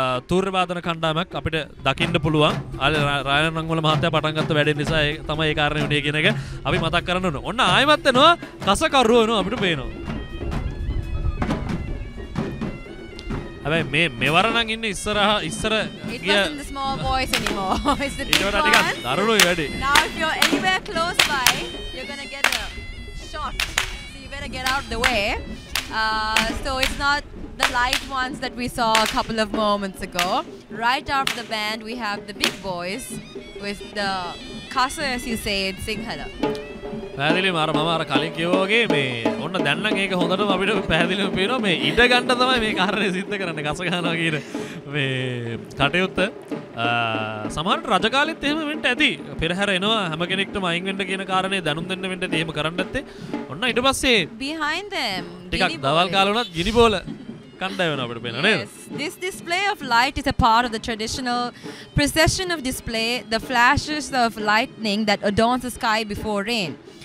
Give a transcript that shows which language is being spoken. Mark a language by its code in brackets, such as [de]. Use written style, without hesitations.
[si] තූර්යවාදන කණ්ඩායමක් අපිට දකින්න පුළුවන් රයන රංගවල මහත්තයා පටන් ගත්ත වැඩේ නිසා ඒ තමයි ඒ කාරණේ උනේ කියන එක අපි මතක් කරන්න ඕන. ඔන්න ආයෙමත් එනවා කසකරුව වෙනවා අපිට පේනවා. හැබැයි මේ මෙවර නම් ඉන්නේ ඉස්සරහා ඉස්සර දරුණුයි වැඩේ. [en] Now if you're anywhere close by you're gonna get a shot. So you better get out the way. So it's not the light ones that we saw a couple of moments ago. Right after the band we have the big boys with the kasa as you say in Sinhala. [si] පැහැදිලිවම අර මම අර කලින් කිව්වා වගේ මේ ඔන්න දැන් නම් ඒක හොඳටම අපිට පැහැදිලිවම පේනවා මේ ඉඩ ගන්න තමයි මේ කාරණේ සිද්ධ කරන්නේ කස ගන්නවා කියන මේ කටයුත්ත සමහර රජකාලෙත් එහෙම වෙන්න ඇති පෙරහැර එනවා හැම කෙනෙක්ටම අයින් වෙන්න කියන කාරණේ දැනුම් දෙන්න වෙන්න ඇති එහෙම කරන්නත් ඇත්තේ ඔන්න ඊට පස්සේ [en] behind them [si] ටිකක් දවල් කාලේ වුණත් ගිනි බෝල කණ්ඩායම වෙනවා අපිට පේනවා නේද. [en] This display of light is a part of the traditional procession of display, the flashes of lightning that adorns the sky before rain.